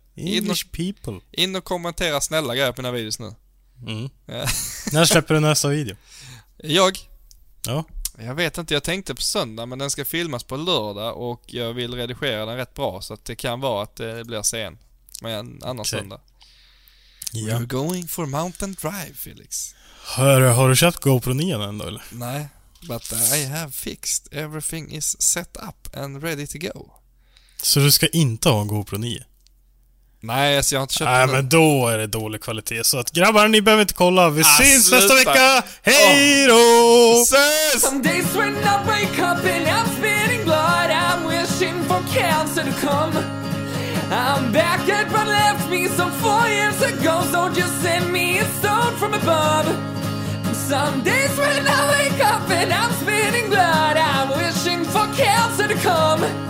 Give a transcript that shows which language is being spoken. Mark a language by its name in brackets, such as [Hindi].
[English] English people. [Swedish] In och kommentera snälla grejer på mina videos nu. När släpper du nästa video? Jag? Ja. Jag vet inte, jag tänkte på söndag, men den ska filmas på lördag och jag vill redigera den rätt bra, så att det kan vara att det blir sen. Men en annan söndag. Ja. [English] We're going for mountain drive, Felix. [Swedish] Har du köpt GoPro 9 än då, eller? Nej. [English] But I have fixed. Everything is set up and ready to go. [Swedish] Så du ska inte ha en GoPro 9? Nej, så jag har inte köpt den. Nej, men då är det dålig kvalitet. Så att grabbar, ni behöver inte kolla. Vi syns nästa vecka. Hej då! Ses! [English] Some days when I wake up and I'm spitting blood, I'm wishing for cancer to come. I'm back at what left me some 4 years ago. So just send me a stone from above. Some days when I wake up and I'm spitting blood, I'm wishing for cancer to come.